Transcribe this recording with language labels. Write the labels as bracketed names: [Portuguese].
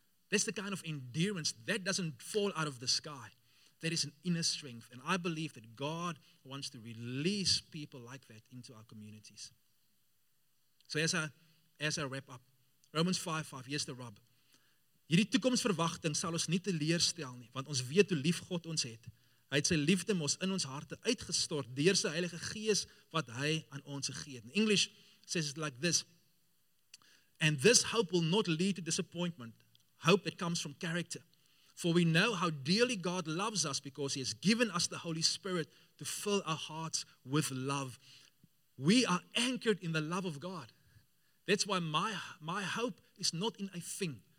[English] That's the kind of endurance that doesn't fall out of the sky. That is an inner strength. And I believe that God wants to release people like that into our communities. So as I wrap up, Romans 5:5, here's the rub. [Afrikaans] Hierdie toekomsverwagting sal ons nie teleurstel nie, want ons weet hoe lief God ons het. Hy het sy liefde mos in ons harte uitgestort deur sy Heilige Gees wat hy aan ons gegee het. [English] In English says it like this. And this hope will not lead to disappointment. Hope that comes from character. For we know how dearly God loves us because he has given us the Holy Spirit to fill our hearts with love. We are anchored in the love of God. That's why my hope is not in a thing.